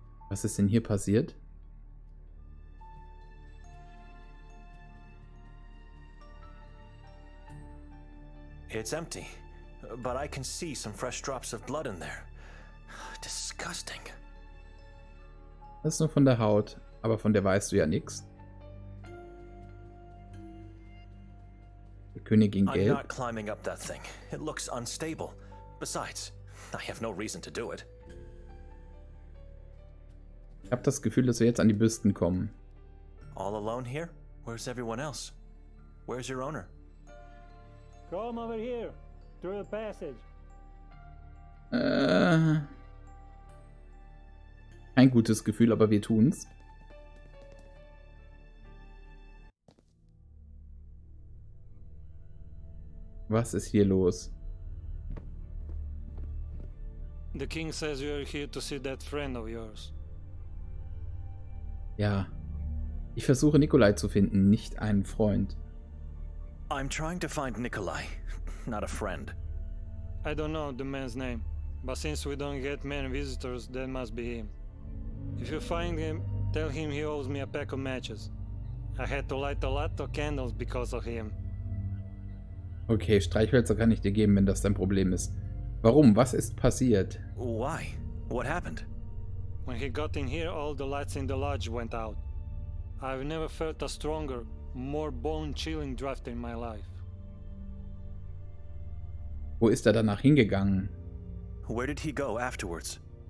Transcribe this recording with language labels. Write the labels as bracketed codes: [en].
[de] Was ist denn hier passiert? [en] It's empty, but I can see some fresh drops of blood in there. Disgusting. [de] Das ist nur von der Haut, aber von der weißt du ja nichts. Die Königin Gelb. [en] I'm not climbing up that thing. It looks unstable. Besides, I have no reason to do it. [de] Ich habe das Gefühl, dass wir jetzt an die Büsten kommen. [en] All alone here? Where's everyone else? Where's your owner? Come over here, through the passage. [de] Kein gutes Gefühl, aber wir tun's. Was ist hier los? [en] The king says you are here to see that friend of yours. [de] Ja. Ich versuche Nikolai zu finden, nicht einen Freund. [en] I'm trying to find Nikolai, not a friend. I don't know the man's name, but since we don't get many visitors, that must be him. If you find him, tell him he owes me a pack of matches. I had to light a lot of candles because of him. [de] Okay, Streichhölzer kann ich dir geben, wenn das dein Problem ist. Warum? Was ist passiert? [en] Why? What happened? When he got in here, all the lights in the lodge went out. I've never felt a stronger, more bone-chilling draft in my life. [de] Wo ist danach hingegangen? [en] Where did he go afterwards?